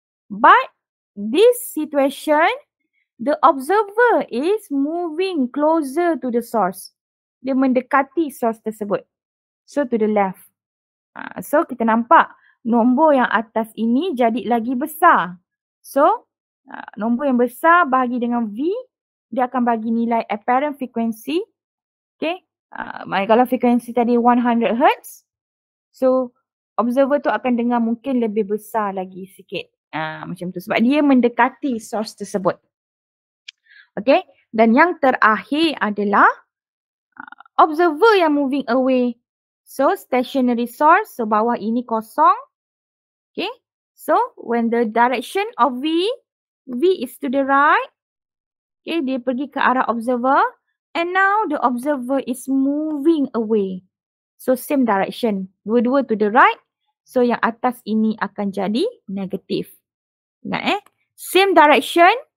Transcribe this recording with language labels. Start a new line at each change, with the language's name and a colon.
English: But this situation, the observer is moving closer to the source.
Malay: Dia mendekati source tersebut.
English: So to the left.
Malay: So kita nampak nombor yang atas ini jadi lagi besar. So nombor yang besar bahagi dengan V, dia akan bagi nilai apparent frequency. Okay. Kalau frekuensi tadi 100 Hz, so observer tu akan dengar mungkin lebih besar lagi sikit. Macam tu sebab dia mendekati source tersebut. Okay, dan yang terakhir adalah observer yang moving away. So stationary source, so bawah ini kosong.
English: Okay, so when the direction of V, V is to the right. Okay,
Malay: dia pergi ke arah observer.
English: And now the observer is moving away. So same direction.
Malay: Dua-dua
English: to the right.
Malay: So yang atas ini akan jadi negatif. Ingat eh. Same direction.